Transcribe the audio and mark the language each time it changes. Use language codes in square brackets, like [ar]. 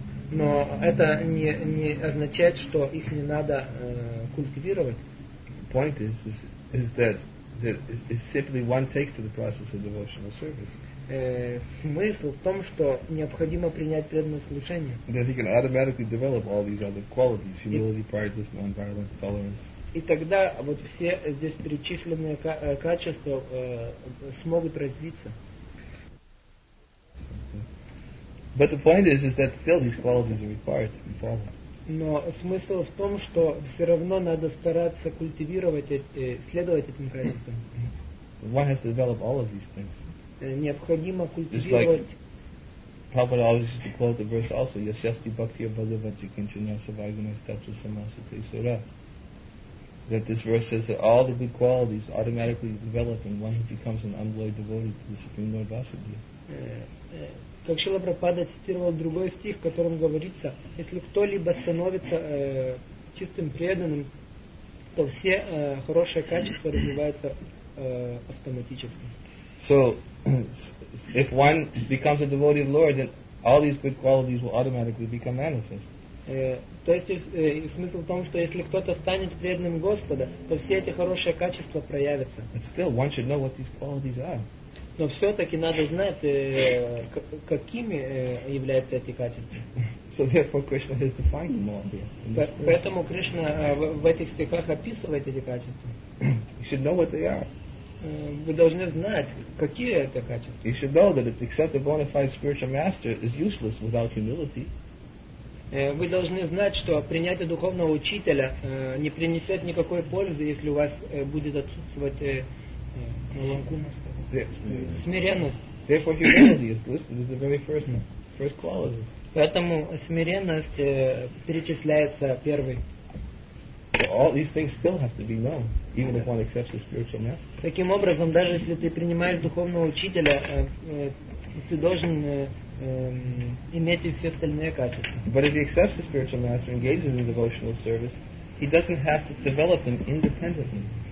[ru] Но это не означает, что их не надо культивировать. [en] Point is that it's simply one takes to the process of devotional service. [ru] Смысл в том, что необходимо принять преданное служение. [en] That he can automatically develop all these other qualities: humility, prayerfulness, non-violence, tolerance. [ru] И тогда вот все здесь перечисленные качества смогут развиться. [en] But the point is that still these qualities are required to be followed. [ru] Но смысл в том, что все равно надо стараться культивировать и следовать этим качествам. [en] One has to develop all of these things. [ru] Необходимо культивировать. [en] Prabhupada always used to quote the verse also: [sa] "Yasyasti bhakti abhavati kinchinasa vaguna stapsa samasati sura." [en] That this verse says that all the good qualities automatically develop in one who becomes an unalloyed devotee to the Supreme Lord Vasudeva. [ru] Как Шрила Прабхупада цитировал другой стих, в котором говорится, если кто-либо становится чистым преданным, то все хорошие качества развиваются автоматически. [en] So, if one becomes a devotee of the Lord, then all these good qualities will automatically become manifest. [ru] То есть смысл в том, что если кто-то станет преданным Господа, то все эти хорошие качества проявятся. [en] But still, one should know what these qualities are. [ru] Но все-таки надо знать, какими являются эти качества. [en] So therefore Krishna has defined them all here. [ru] Поэтому Кришна в этих стихах описывает эти качества. [en] You should know what they are. [ru] Вы должны знать, какие это качества. [en] You should know that except a bona fide spiritual master is useless without humility. [ru] Вы должны знать, что принятие духовного учителя не принесет никакой пользы, если у вас будет отсутствовать меланкумность. Смиренность. [en] Therefore, humility is listed as the very first quality. [ru] Поэтому смиренность перечисляется первой. [en] So all these things still have to be known, even if one accepts the spiritual master. [ru] Таким образом, даже если ты принимаешь духовного учителя, ты должен иметь и все остальные качества. [en] But if he accepts the spiritual master and engages in devotional service, he doesn't have to develop them independently.